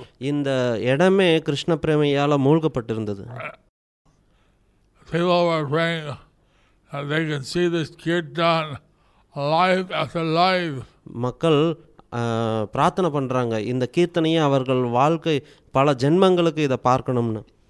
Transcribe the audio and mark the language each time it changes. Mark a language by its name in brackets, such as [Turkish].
[Tamil] இந்த இடமே Krishna பிரேமையால மூழ்கப்பட்டிருந்தது. [English] People were praying that they can see this kirtan life after life. [Tamil] மக்கள் பிரார்த்தனை பண்றாங்க இந்த கீர்த்தனையை அவர்கள் வாழ்க்கை பல ஜென்மங்களுக்கு இதை பார்க்கணும்னு.